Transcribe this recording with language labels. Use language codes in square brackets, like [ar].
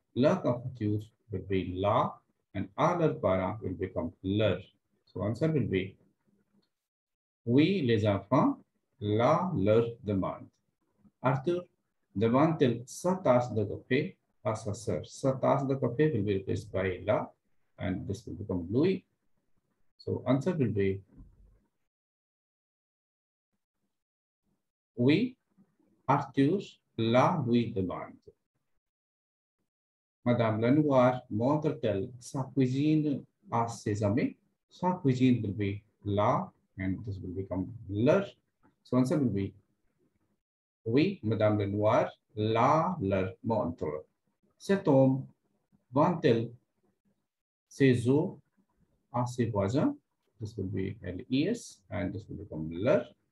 [fr] La confiture [en] will be [fr] la, [en] and [fr] à leurs parents [en] will become [fr] leur. [en] So answer will be, [fr] oui, les enfants, là, leur demande. Arthur demande sa tasse de café à sa sœur. Sa tasse de café [en] will be replaced by la, and this will become lui. So answer will be, [fr] oui, Arthur, là, lui demande. Madame Lenoir montre-t-elle sa cuisine à ses amis? Sa cuisine [en] will be là, and this will become leur. So answer will be, [fr] oui, Madame Lenoir, là, leur montre. Cet homme vend-t-il ses os à ses voisins? [en] This will be les, and this will become leur.